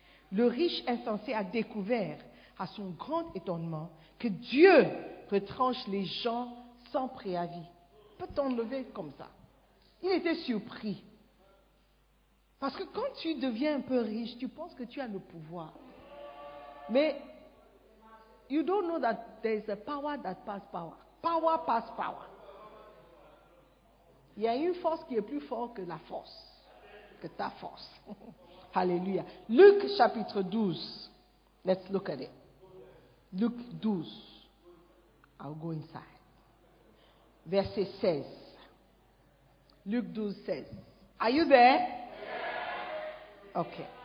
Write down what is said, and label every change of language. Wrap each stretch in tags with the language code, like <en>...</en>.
<fr>Le riche insensé a découvert, à son grand étonnement, que Dieu retranche les gens sans préavis. Peut-on lever comme ça? Il était surpris. Parce que quand tu deviens un peu riche, tu penses que tu as le pouvoir.</fr> <en>Mais, you don't know that there is a power that passes power. Power passes power.</en> <fr>Il y a une force qui est plus forte que la force, que ta force. Alléluia. Luc chapitre 12.</fr> <en>Let's look at it. Luc 12. I'll go inside.</en> <fr>Verset 16. Luc 12, 16.</fr> <en>Are you there? Ok.</en>